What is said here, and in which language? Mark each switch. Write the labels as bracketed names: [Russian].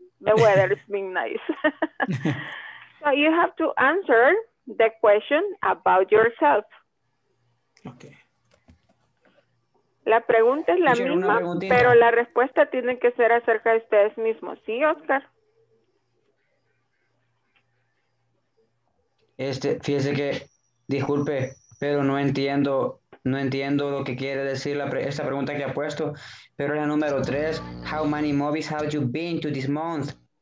[English] The weather has been nice. So you have to answer the question about yourself. Okay. [Spanish] La pregunta es la misma, pero la respuesta tiene que ser acerca de ustedes mismos. ¿Sí, Oscar? Fíjese que disculpe, pero no entiendo, no entiendo lo que quiere decir la esta pregunta que ha puesto. Pero la número 3, [English] how many movies have you been to this month?